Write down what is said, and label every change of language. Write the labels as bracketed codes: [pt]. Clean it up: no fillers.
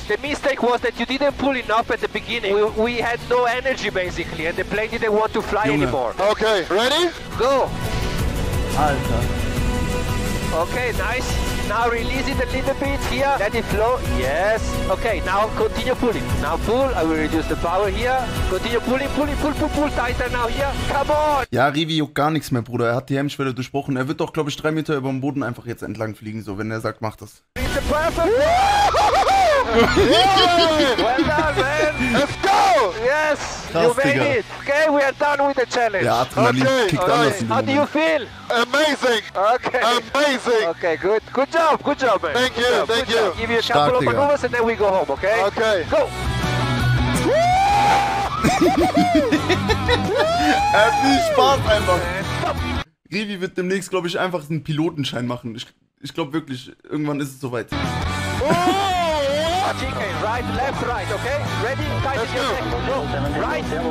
[en] The mistake was that you didn't pull enough at the beginning. We had no energy, basically, and the plane didn't want to fly anymore. Okay, ready? Go. [de] Alter. [en] Okay, nice. Now release it a little bit here. Let it flow. Yes. Okay, now continue pulling. Now pull. I will reduce the power here. Continue pulling. Pull. Tighter now here. Come on. [de] Ja, Rivi juckt gar nichts mehr, Bruder. Er hat die Hemmschwelle durchbrochen. Er wird doch, glaube ich, 3 Meter über dem Boden einfach jetzt entlang fliegen, so wenn er sagt, mach das. [en] It's a perfect. Yes. Well done, man. Let's go. Yes. Krass, you made it. Okay, we are done with the challenge. [de] Ja, Adrenalin kickt anders in den [en] Moment. How do you feel? Amazing. Okay. Amazing. Okay, good. Good job, man. Thank you. Thank you. Give you a couple of maneuvers and then we go home, okay? Okay. Go. [de] Er hat viel Spaß einfach. Rivi wird demnächst, glaube ich, einfach einen Pilotenschein machen. Ich glaube wirklich, irgendwann ist es soweit. [en] Right, left, right, okay? Ready? Tighten your neck. Go. Right.